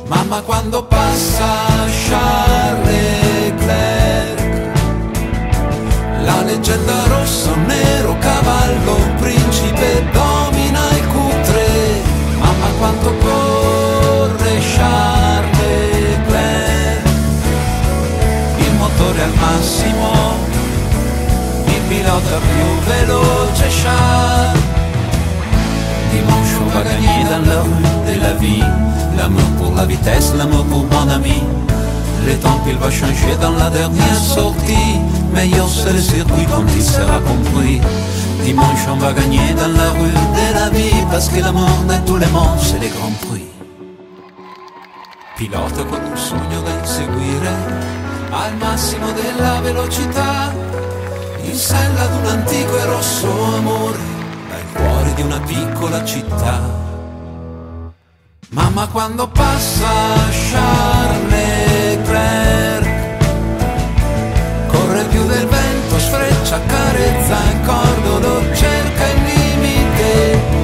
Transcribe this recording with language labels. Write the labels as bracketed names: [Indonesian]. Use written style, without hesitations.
[Italian] Mamma, quando passa Charles Leclerc, la leggenda rosso, nero, cavallo, principe, domina il Q3. Mamma, quanto corre Charles Leclerc, il motore al massimo, il pilota più veloce Charles. [French] Va gagner dans l'amour de la vie, l'amour pour la vitesse, l'amour pour mon ami. Le temps il va changer dans la dernière sortie, meilleur c'est le circuit quand il sera compris. Dimanche on va gagner dans la rue de la vie, parce que l'amour de tout le monde c'est le Grand Prix. [Italian] Pilota con un sogno da inseguire, al massimo della velocità, in sella d'un antico e rosso amore, cuore di una piccola città. Mamma, quando passa Charles Leclerc, corre più del vento, sfreccia, carezza il cordolo, cerca il limite.